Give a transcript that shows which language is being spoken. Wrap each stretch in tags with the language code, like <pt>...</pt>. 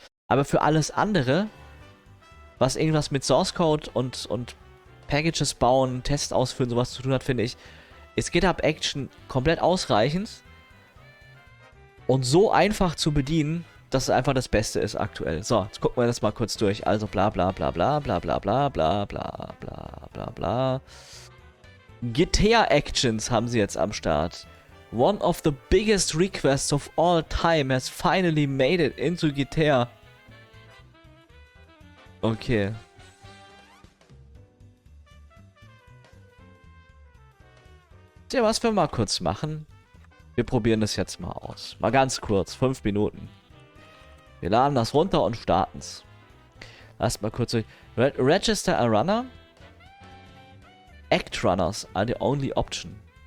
<de>Aber für alles andere, was irgendwas mit Source Code und Packages bauen, Tests ausführen, sowas zu tun hat, finde ich, ist GitHub Action komplett ausreichend. Und so einfach zu bedienen, dass es einfach das Beste ist aktuell. So, jetzt gucken wir das mal kurz durch. Also bla bla bla bla bla bla bla bla bla bla bla bla. GitHub-Actions haben sie jetzt am Start.</de> <en>One of the biggest requests of all time has finally made it into GitHub.</en> <de>Okay. Tja, was wir mal kurz machen. Wir probieren das jetzt mal aus. Mal ganz kurz, 5 Minuten. Wir laden das runter und starten es. Erstmal kurz durch.</de> <en>Register a runner. Act runners are the only option.</en>